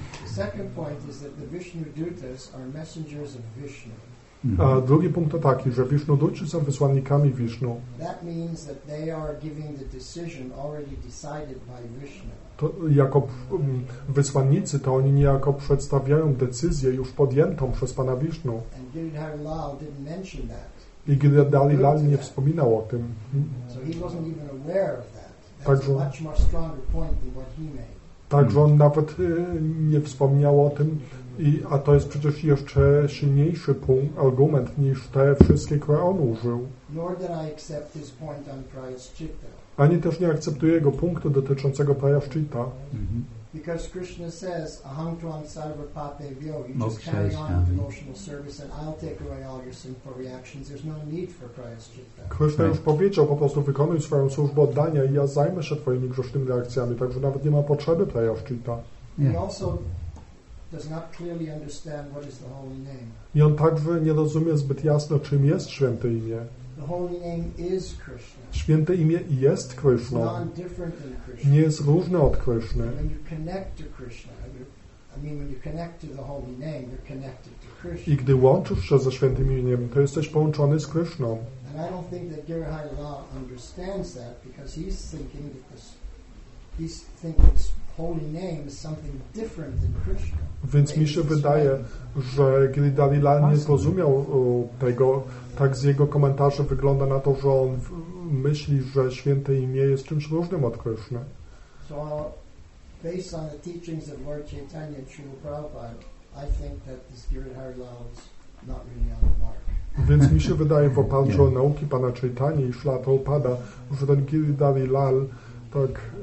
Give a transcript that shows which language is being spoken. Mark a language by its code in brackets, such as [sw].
[en] Second point is that the Vishnu Dutas are messengers of Vishnu. [pl] A drugi punkt to taki, że Vishnu Duty są wysłannikami Vishnu. [en] That means that they are giving the decision already decided by Vishnu. [pl] To jako wysłannicy, to oni niejako przedstawiają decyzję już podjętą przez Pana Vishnu. [en] And Giridhar Lal didn't mention that. [pl] I Giridhar Lal nie wspominał o tym. [en] So he wasn't even aware of that. That's a much more stronger point than what he made. [pl] Także on nawet nie wspomniał o tym, a to jest przecież jeszcze silniejszy punkt, argument niż te wszystkie, które on użył. [en] Nor did I accept his point on Prayaschitta. [pl] Ani też nie akceptuję jego punktu dotyczącego Prayaschitta. [en] Because Krishna says, [sa] "Aham tvam sarva pape vyo," [en] you just carry on with devotional service and I'll take away all your sinful reactions. There's no need for Prayaschitta. [pl] Krishna już powiedział, po prostu wykonuj swoją służbę oddania i ja zajmę się twoimi grzesznymi reakcjami, także nawet nie ma potrzeby Prayaschitta. [en] Does not clearly understand what is the holy name. [pl] I on także nie rozumie zbyt jasno, czym jest święte imię. [en] The holy name is Krishna. [pl] Święte imię jest Krishna. [en] It's not different than Krishna. [pl] Nie jest różne od Krishna. [en] When you connect to Krishna, I mean, when you connect to the holy name, you're connected to Krishna. [pl] I gdy łączysz się ze świętym imieniem, to jesteś połączony z Krishną. [en] And I don't think that Girihai Lala understands that because he's thinking that this, he's thinking holy name is something different than Krishna. [pl] Więc mi się wydaje, że Giridhari Lal nie zrozumiał tego, tak z jego komentarzy wygląda na to, że on myśli, że święte imię jest czymś różnym od Krishna. [en] So based on the teachings of Lord Chaitanya and Srila Prabhupada, I think that this Giridhari Lal is not really on the mark. [pl] Więc mi się wydaje, w oparciu o nauki pana Chaitanya i Srila Prabhupada, że ten Giridhari Lal tak